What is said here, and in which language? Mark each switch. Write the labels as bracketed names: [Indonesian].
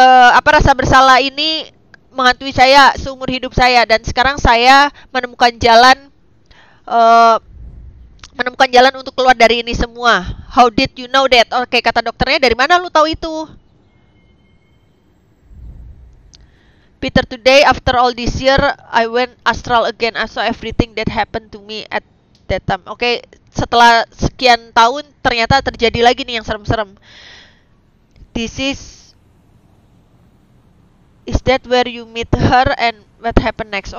[Indonesian] Apa rasa bersalah ini menghantui saya seumur hidup saya dan sekarang saya menemukan jalan untuk keluar dari ini semua. [English] How did you know that? [Indonesian] Okay, kata dokternya, dari mana lu tahu itu? [English] Peter, today after all this year, I went astral again. I saw everything that happened to me at that time. [Indonesian] Okay, setelah sekian tahun, ternyata terjadi lagi nih yang serem-serem. [English] Is that where you meet her and what happened next?